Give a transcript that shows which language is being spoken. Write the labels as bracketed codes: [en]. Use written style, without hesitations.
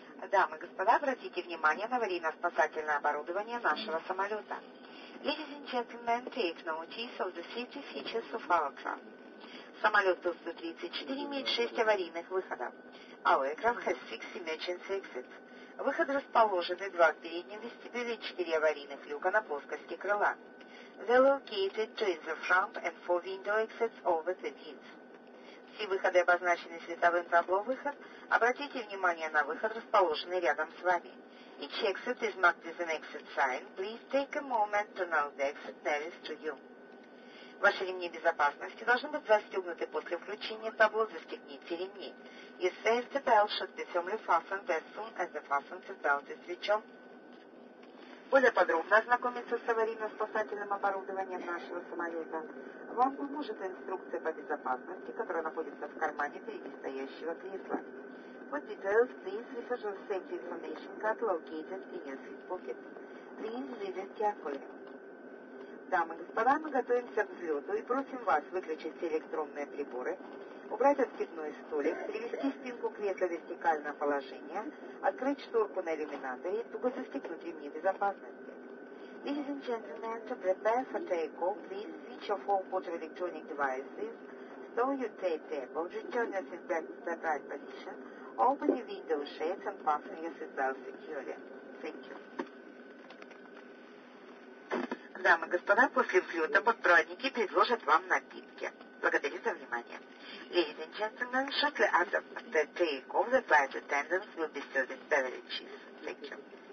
[ru] Дамы и господа, обратите внимание на аварийно-спасательное оборудование нашего самолета. [en] Ladies and gentlemen, take notice of the safety features of our craft. [ru] Самолет Ту-134 имеет 6 аварийных выходов. [en] Our aircraft has 6 emergency exits. [ru] Выход расположены 2 в переднем вестибюле и 4 аварийных люка на плоскости крыла. [en] They are located 2 in the front and 4 window exits over the wings. [ru] Все выходы обозначены световым табло «Выход». Обратите внимание на выход, расположенный рядом с вами. [en] Each exit is marked with an exit sign. Please take a moment to know the exit nearest to you. [ru] Ваши ремни безопасности должны быть застегнуты после включения табло. Застегните ремни. [en] Your safety belt should be firmly fastened as soon as the fastened belt is switched. [ru] Более подробно ознакомиться с аварийно-спасательным оборудованием нашего самолета вам поможет инструкция по безопасности, которая находится в кармане впереди стоящего кресла. [en] For details, please refer to the safety information card located in your seat pocket. Please read it carefully. [ru] Дамы и господа, мы готовимся к взлету и просим вас выключить все электронные приборы, убрать откидной столик, перевести спинку кресла в вертикальное положение, открыть шторку на иллюминаторе и тупо застегнуть ремни безопасности. [en] Ladies and gentlemen, to prepare for takeoff, please switch off all portable electronic devices, store your tray table, return your seat back to the right position, open your window shades and fasten your seat belt securely. Thank you. [ru] Дамы и господа, после взлета подпроводники предложат вам напитки. Благодарю за внимание. [en] Ladies and gentlemen, shortly after the take-off, the flight attendants will be serving beverages. Thank you.